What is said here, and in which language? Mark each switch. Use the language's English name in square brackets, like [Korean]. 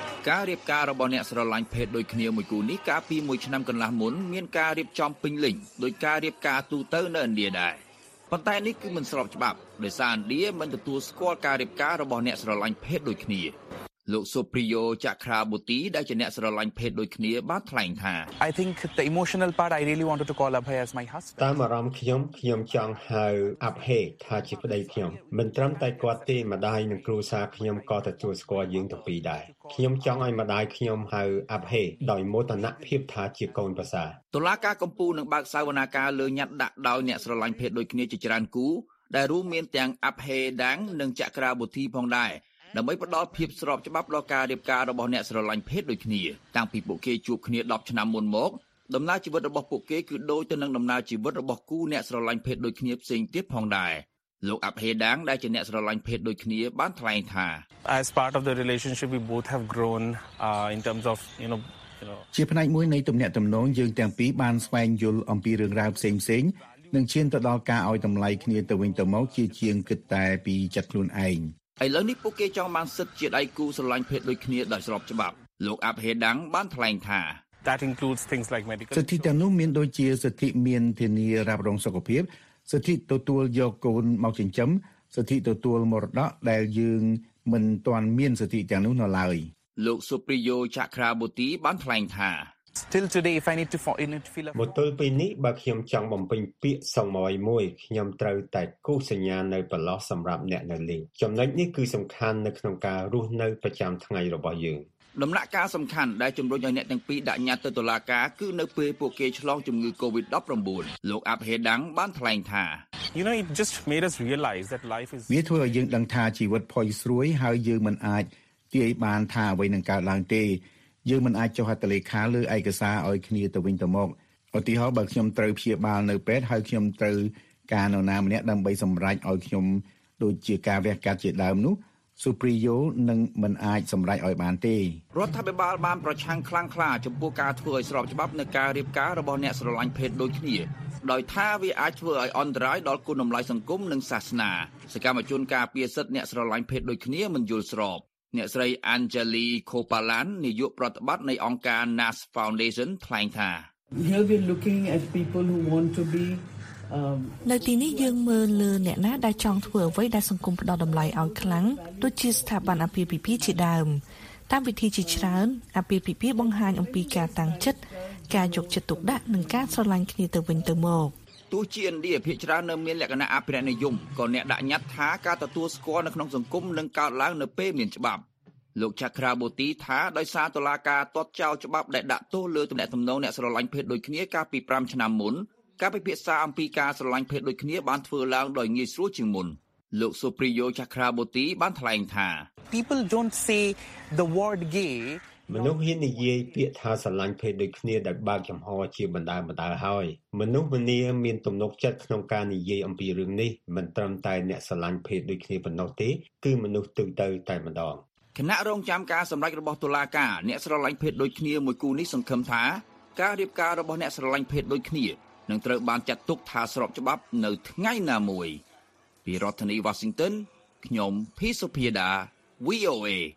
[Khmer] ការរៀបការរបស់អ្នកស្រឡាញ់ភេទដូចគ្នាមួយគូនេះកាលពីមួយឆ្នាំកន្លះមុនមានការរៀបចំពេញលេញដោយការរៀបការទូទៅនៅឥណ្ឌាដែរប៉ុន្តែនេះគឺមិនស្របច្បាប់ដោយសារឥណ្ឌាមិនទទួលស្គាល់ការរៀបការរបស់អ្នកស្រឡាញ់ភេទដូចគ្នាលោកសុប្រីយ៉ូចក្រាបុទីដែលជាអ្នកស្រឡាញ់ភេទដូចគ្នាបានថ្លែងថា [English] I think the emotional part I really wanted to call up her as my husband [Khmer] តាមអារម្មណ៍ខ្ញុំចង់ហៅអភេថាជាប្តីខ្ញុំមិនត្រឹមតែគាត់ទេម្ដាយនិងគ្រូសាខ្ញុំក៏ទទួលស្គាល់យើងទាំងពីរដែរខ្ញុំចង់ឲ្យម្ដាយខ្ញុំហៅអភេដោយមោទនភាពថាជាកូនប្រសា តុលាការកំពូលនឹងបើកសវនាការលើញត្តិដាក់ដោយអ្នកស្រឡាញ់ភេទដូចគ្នាជាច្រើនគូដែលរួមមានទាំងអភេដាំងនិងចក្រាបុទីផងដែរដើម្បីផ្តល់ភាពស្របច្បាប់ដល់ការរៀបការរបស់អ្នកស្រឡាញ់ភេទដូចគ្នាតាំងពីពួកគេជួបគ្នា10ឆ្នាំមុនមកដំណើរជីវិតរបស់ពួកគេគឺដូចទៅនឹងដំណើរជីវិតរបស់គូអ្នកស្រឡាញ់ភេទដូចគ្នាផ្សេងទៀតផងដែរលោកអភេដាងដែលជាអ្នកស្រឡាញ់ភេទដូចគ្នាបានថ្លែងថា [English] As part of the relationship we both have grown in terms of you know [Khmer] ជាផ្នែកមួយនៃទំនាក់ទំនងយើងទាំងពីរបានស្វែងយល់អំពីរឿងរ៉ាវផ្សេងៗនិងឈានទៅដល់ការឲ្យតម្លៃគ្នាទៅវិញទៅមកជាជាងគិតតែពីចិត្តខ្លួនឯង ឥឡូវនេះពួកគេចង់បានសិទ្ធិជាដៃគូស្រឡាញ់ភេទដូចគ្នាដោយស្របច្បាប់លោកអភិរដាំងបានថ្លែងថា [English] That includes things like medical [Khmer] សិទ្ធិទាំងនោះមានដូចជាសិទ្ធិមានធានារ៉ាប់រងសុខភាពសិទ្ធិទទួលយកកូនមកចិញ្ចឹមសិទ្ធិទទួលមរតកដែលយើងមិនទាន់មានសិទ្ធិទាំងនោះនៅឡើយ លោកសុប្រីយោចក្រាបុទីបានថ្លែងថា [English] Still today if I need to fill out [Khmer] មកទល់ពេលនេះបើខ្ញុំចង់បំពេញពាក្យសុំអ្វីមួយខ្ញុំត្រូវតែគូសញ្ញានៅបន្លោះសម្រាប់អ្នកនៅលីងចំណុចនេះគឺសំខាន់នៅក្នុងការរស់នៅប្រចាំថ្ងៃរបស់យើង ដំណាក់កាលសំខាន់ដែលជំរុញឲ្យអ្នកទាំងពីរដាក់ញត្តិទៅតុលាការគឺនៅពេលពួកគេឆ្លងជំងឺ COVID-19 លោកអភិរដាំងបានថ្លែងថា [English] You know it just made us realize that life is [Khmer] វាធ្វើឲ្យយើងដឹងថាជីវិតផុយស្រួយហើយយើងមិនអាចទាយបានថាអ្វីនឹងកើតឡើងទេយើងមិនអាចចុះហត្ថលេខាឬឯកសារឲ្យគ្នាទៅវិញទៅមកឧទាហរណ៍បើខ្ញុំត្រូវព្យាបាលនៅពេទ្យហើយខ្ញុំត្រូវការនរណាម្នាក់ដើម្បីសម្រេចឲ្យខ្ញុំដូចជាការវះកាត់ជាដើមនោះសុប្រីយោនឹងមិនអាចសម្រេចឲ្យបានទេ រដ្ឋាភិបាលបានប្រឆាំងខ្លាំងក្លាចំពោះការធ្វើឲ្យស្របច្បាប់នៃការរៀបការរបស់អ្នកស្រឡាញ់ភេទដូចគ្នាដោយថាវាអាចធ្វើឲ្យអន្តរាយដល់គុណតម្លៃសង្គមនិងសាសនាសកម្មជនការពារសិទ្ធិអ្នកស្រឡាញ់ភេទដូចគ្នាមិនយល់ស្របអ្នកស្រី Anjali Kopalan នាយកប្រតិបត្តិនៃអង្គការ NAS Foundation ថ្លែងថា [English] Here we're looking at people who want to be [Khmer] នៅទីនេះយើងមើលលើអ្នកណាដែលចង់ធ្វើអ្វីដែលសង្គមផ្ដល់តម្លៃឲ្យខ្លាំងដូចជាស្ថាប័នអភិបាលជាដើមតាមវិធីជាច្រើនអភិបាលបង្ហាញអំពីការតាំងចិត្តការយកចិត្តទុកដាក់និងការស្រឡាញ់គ្នាទៅវិញទៅមក ទោះជាឥណ្ឌាភាគច្រើននៅមានលក្ខណៈអភិរណិយមក៏អ្នកដាក់ញត្តិថាការទទួលស្គាល់នៅក្នុងសង្គមនឹងកើតឡើងនៅពេលមានច្បាប់លោកចក្រាបុទីថាដោយសារតុលាការទាត់ចោលច្បាប់ដែលដាក់ទោសលើតំណែងអ្នកស្រឡាញ់ភេទដូចគ្នាកាលពី5ឆ្នាំមុន ការពិភាក្សាអំពីការស្រឡាញ់ភេទដូចគ្នាបានធ្វើឡើងដោយងាយស្រួលជាងមុនលោកសុប្រីយោចក្រាបូទីបានថ្លែងថា [English] People don't say the word gay [Khmer] មនុស្សហ៊ាននិយាយពាក្យថាស្រឡាញ់ភេទដូចគ្នាដែលបើកចំហជាបណ្ដាបណ្ដាហើយមនុស្សម្នាមានទំនុកចិត្តក្នុងការនិយាយអំពីរឿងនេះមិនត្រឹមតែអ្នកស្រឡាញ់ភេទដូចគ្នាប៉ុណ្ណោះទេគឺមនុស្សទូទៅតែម្ដង គណៈរងចាំការសម្រេចរបស់តុលាការអ្នកស្រឡាញ់ភេទដូចគ្នាមួយគូនេះសង្ឃឹមថាការរៀបការរបស់អ្នកស្រឡាញ់ភេទដូចគ្នានឹងត្រូវបានចាត់ទុកថាស្របច្បាប់នៅថ្ងៃណាមួយពីរដ្ឋធានី Washington ខ្ញុំភីសុភាដា VOA